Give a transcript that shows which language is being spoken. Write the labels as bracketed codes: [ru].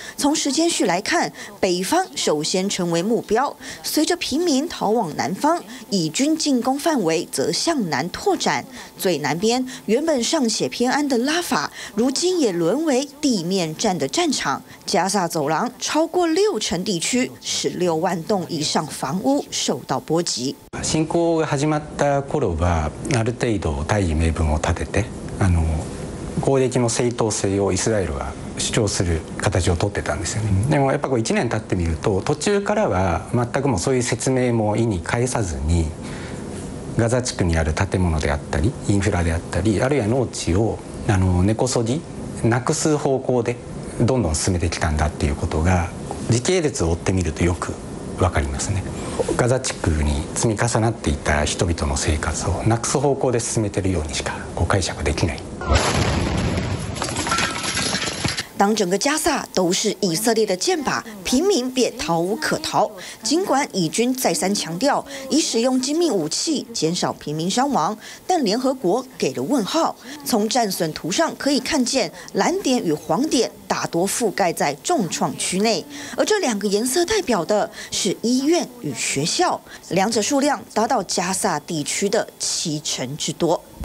[zh] 从时间序来看，北方首先成为目标，随着平民逃往南方，以军进攻范围则向南拓展。最南边原本尚且偏安的拉法，如今也沦为地面战的战场。加萨走廊超过六成地区，16万栋以上房屋受到波及。 [ja] 侵攻が始まった頃はある程度大義名分を立てて、攻撃の正当性をイスラエルは主張する形を取ってたんですよね。でもやっぱこう1年経ってみると、途中からは全くもそういう説明も意に介さずに、ガザ地区にある建物であったり、インフラであったり、あるいは農地を根こそぎなくす方向でどんどん進めてきたんだっていうことが時系列を追ってみるとよく分かりますね。ガザ地区に積み重なっていた人々の生活をなくす方向で進めているようにしか解釈できない。 [zh] 当整个加萨都是以色列的箭靶，平民便逃无可逃。尽管以军再三强调已使用精密武器减少平民伤亡，但联合国给了问号。从战损图上可以看见，蓝点与黄点大多覆盖在重创区内，而这两个颜色代表的是医院与学校，两者数量达到加萨地区的七成之多。